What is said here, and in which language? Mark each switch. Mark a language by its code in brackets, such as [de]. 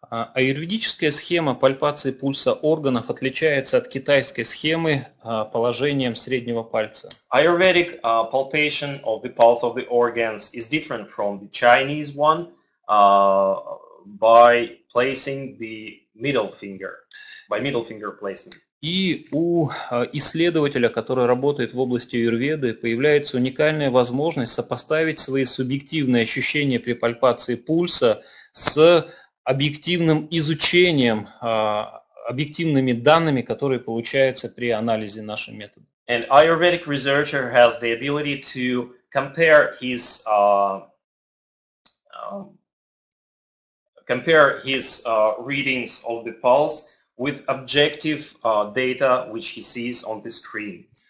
[ru] Аюрведическая схема пальпации пульса органов отличается от китайской схемы положением среднего пальца. [en] Ayurvedic palpation of the pulse of the organs is different from the Chinese one by placing the middle finger, by middle finger placement. [ru] И у исследователя, который работает в области аюрведы, появляется уникальная возможность сопоставить свои субъективные ощущения при пальпации пульса с объективным изучением, объективными данными, которые получаются при анализе нашим методом. [en] And Ayurvedic researcher has the ability to compare his readings of the pulse with objective data which he sees on the screen.